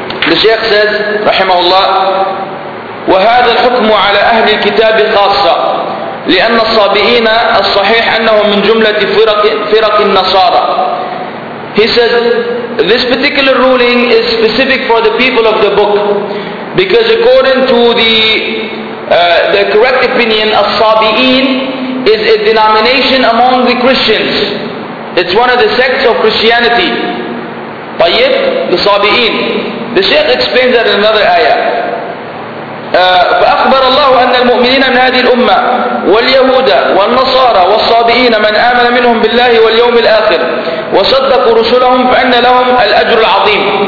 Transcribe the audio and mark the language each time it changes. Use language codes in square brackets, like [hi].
[en] The Shaykh says, rahimahullah, [ar] وهذا الحكم على أهل الكتاب خاصة لأن الصابئين الصحيح أنهم من جملة فرق النصارى. [en] He says, this particular ruling is specific for the people of the book, because according to the correct opinion, الصابئين is a denomination among the Christians. It's one of the sects of Christianity. [ar] طيب, the صابئين. [en] The Shaykh explains that in another ayah. [ar] فأخبر الله أن المؤمنين من هذه الأمة واليهود والنصارى والصابئين من آمن منهم بالله واليوم الآخر وصدقوا رسلهم فإن لهم الأجر العظيم.